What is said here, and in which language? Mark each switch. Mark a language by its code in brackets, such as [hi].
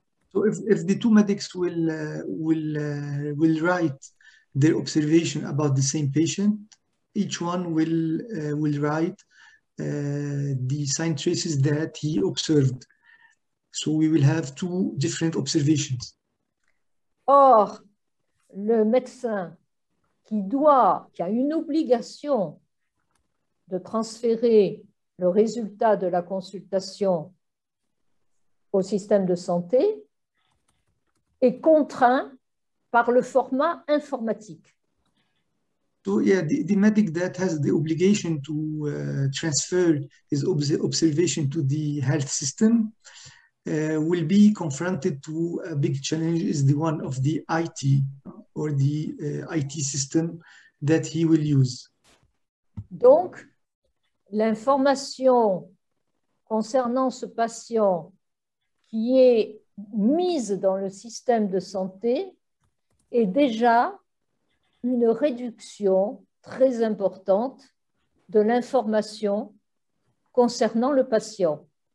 [en] So if the two medics will write their observation about the same patient, each one will write the sign traces that he observed. So we will have two different observations. [fr] Or, le médecin qui a une obligation de transférer le résultat de la consultation au système de santé est contraint par le format informatique. [en] So yeah, the medic that has the obligation to transfer his observation to the health system will be confronted to a big challenge, is the one of the IT or the IT system that he will use. [fr] Donc, l'information concernant ce patient qui est mise dans le système de santé est déjà une réduction très importante de l'information concernant le patient.